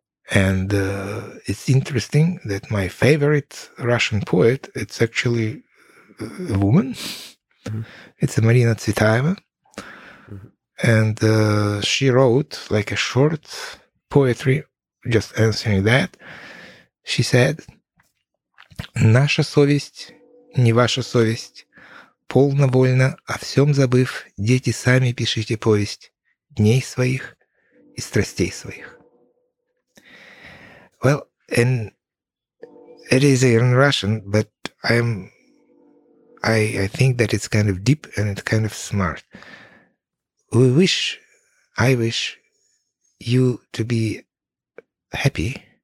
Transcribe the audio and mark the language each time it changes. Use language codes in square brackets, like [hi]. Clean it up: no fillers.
[en] And it's interesting that my favorite Russian poet, it's actually a woman. Mm-hmm. It's Marina Tsvetaeva. Mm-hmm. And she wrote like a short poetry, just answering that. She said, [ru] «Наша совесть, не ваша совесть, полновольно, о всем забыв, дети, сами пишите повесть дней своих и страстей своих». [en] Well, and it is in Russian, but I think that it's kind of deep and it's kind of smart. I wish you to be happy.